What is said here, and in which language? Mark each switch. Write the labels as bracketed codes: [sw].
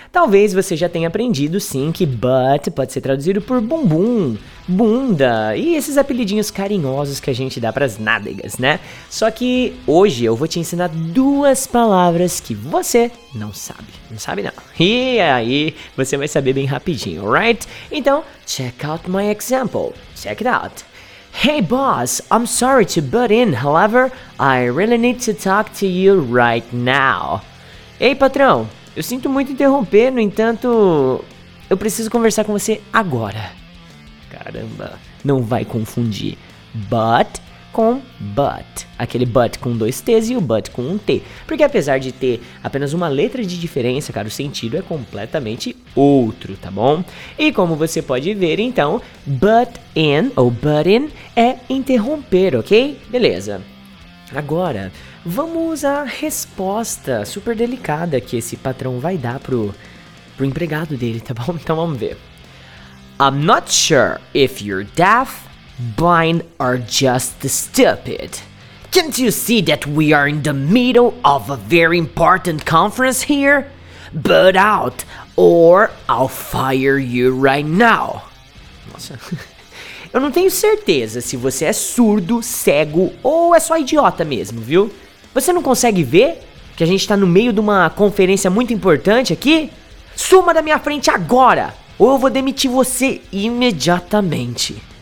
[pt] Talvez você já tenha aprendido, sim, que butt pode ser traduzido por bumbum, bunda e esses apelidinhos carinhosos que a gente dá pras nádegas, né? Só que hoje eu vou te ensinar duas palavras que você não sabe. Não sabe não. E aí você vai saber bem rapidinho, [en] alright? [pt] Então, [en] check out my example. Check it out. Hey boss, I'm sorry to butt in, however, I really need to talk to you right now. [pt] Ei, patrão, eu sinto muito interromper, no entanto, eu preciso conversar com você agora. Caramba, não vai confundir. But com but. Aquele but com dois t's e o but com um t. Porque apesar de ter apenas uma letra de diferença, cara, o sentido é completamente outro, tá bom? E como você pode ver, então, but in ou but in é interromper, ok? Beleza. Agora, vamos à resposta super delicada que esse patrão vai dar pro empregado dele, tá bom? Então vamos ver. [en] I'm not sure if you're deaf, blind or just stupid. Can't you see that we are in the middle of a very important conference here? Butt out or I'll fire you right now. [pt] Nossa. Eu não tenho certeza se você é surdo, cego ou é só idiota mesmo, viu? Você não consegue ver que a gente tá no meio de uma conferência muito importante aqui? Suma da minha frente agora! Ou eu vou demitir você imediatamente.